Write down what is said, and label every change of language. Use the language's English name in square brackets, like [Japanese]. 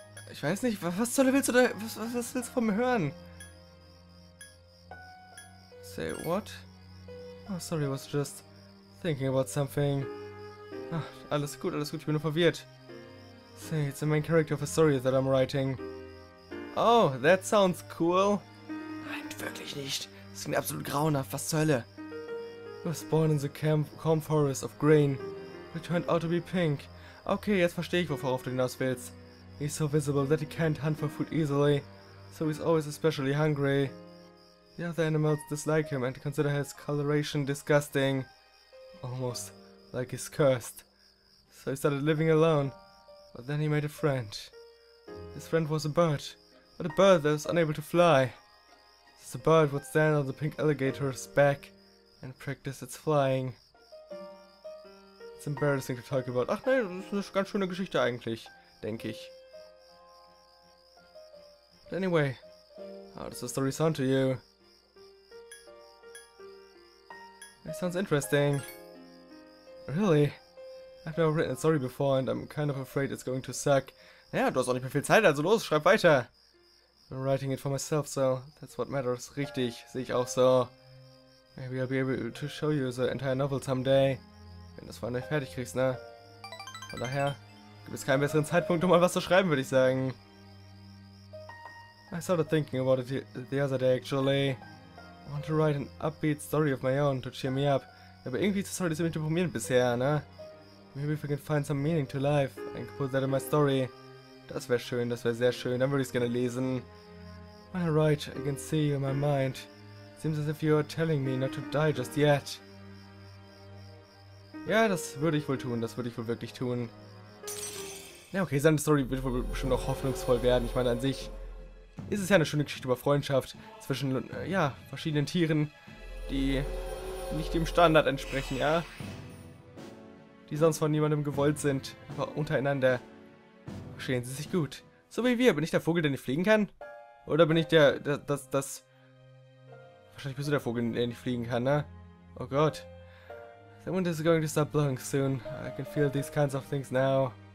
[German] Ich weiß nicht, was soll willst du da, was willst du von mir hören? [English] Say what? Oh, sorry, I was just thinking about something. [German] Ach, alles gut, ich bin nur verwirrt. [English] Say, it's the main character of a story that I'm writing. Oh, that sounds cool. [German] Nein, wirklich nicht. Das klingt absolut grauenhaft, was zur Hölle? [English] I was born in the calm forest of grain. It turned out to be pink. [German] Okay, jetzt verstehe ich, worauf du hinaus willst. [English] He's so visible that he can't hunt for food easily. So he's always especially hungry. The other animals dislike him and consider his coloration disgusting. Almost like he's cursed. So he started living alone. But then he made a friend. His friend was a bird. But a bird that was unable to fly. The bird would stand on the pink alligator's back and practice its flying. It's embarrassing to talk about. [German] Ach nein, das ist eine ganz schöne Geschichte eigentlich, denke ich. [English] But anyway, how does the story sound to you? It sounds interesting. Really? I've never written a story before and I'm kind of afraid it's going to suck. [German] Naja, du hast auch nicht mehr viel Zeit, also los, schreib weiter! [English] I'm writing it for myself, so that's what matters. [German] Richtig, sehe ich auch so. [English] Maybe I'll be able to show you the entire novel someday. [German] Wenn du es vor allem fertig kriegst, ne? Von daher, gibt es keinen besseren Zeitpunkt, um mal was zu schreiben, würde ich sagen. [English] I started thinking about it the other day, actually. I want to write an upbeat story of my own to cheer me up. [German] Aber irgendwie ist es nicht deprimierend bisher, ne? [English] Maybe if I can find some meaning to life, I can put that in my story. [German] Das wäre schön, das wäre sehr schön, dann würde ich es gerne lesen. [English] When I write, I can see you in my mind. Seems as if you are telling me not to die just yet. [German] Ja, das würde ich wohl tun, das würde ich wohl wirklich tun. Ja, okay, seine Story wird wohl schon noch hoffnungsvoll werden. Ich meine, an sich ist es ja eine schöne Geschichte über Freundschaft zwischen, ja, verschiedenen Tieren, die nicht dem Standard entsprechen, ja. Die sonst von niemandem gewollt sind, aber untereinander verstehen sie sich gut. So wie wir, bin ich der Vogel, der nicht fliegen kann? Oder bin ich der, das... Wahrscheinlich bist du der Vogel, der nicht fliegen kann, ne? Oh Gott. [English] Someone is going to stop blowing soon. I can feel these kinds of things now.